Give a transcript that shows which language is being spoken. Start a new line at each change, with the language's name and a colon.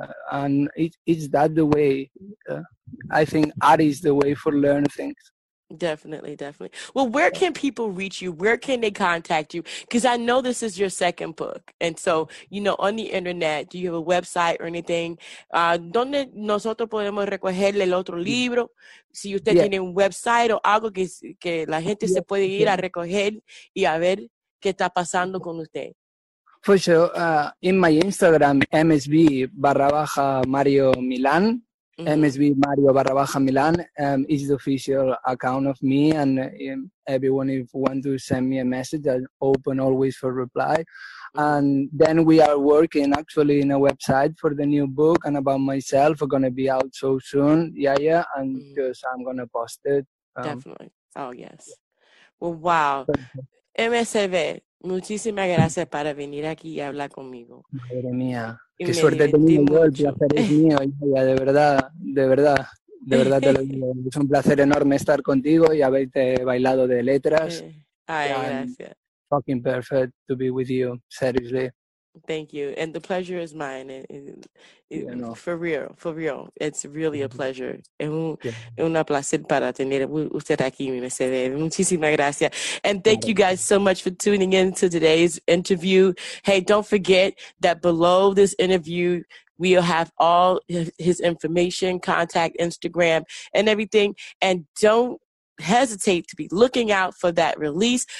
English: And it's that the way, I think art is the way for learn things. Definitely, definitely. Well, where can people reach you? Where can they contact you? Because I know this is your second book. And so, you know, on the internet, do you have a website or anything?
Spanish: ¿Dónde nosotros podemos recoger el otro libro? Si usted tiene un website o algo que la gente se puede ir a recoger y a ver qué está pasando con usted.
English: For sure. In my Instagram, msb_mariomilan. Mm-hmm. MSB Mario _Milan is the official account of me, and everyone, if want to send me a message, I'm open always for reply. And then we are working actually in a website for the new book and about myself. We're going to be out so soon. And just I'm going to post it. Definitely. Oh, yes. Yeah. Well, wow.
Spanish: MSB, muchísimas gracias para venir aquí y hablar conmigo. Madre mía. Qué suerte tenía yo, el placer es mío, ya, de verdad te lo digo. Es un placer enorme estar contigo y haberte bailado de letras. Ay, gracias.
English: Fucking perfect to be with you, seriously. Thank you, and the pleasure is mine. For real, it's really a pleasure.
Spanish: Es un placer para tener usted aquí, mi mesebe. Muchísimas gracias.
English: And thank you guys so much for tuning in to today's interview. Hey, don't forget that below this interview, we'll have all his information, contact, Instagram, and everything. And don't hesitate to be looking out for that release.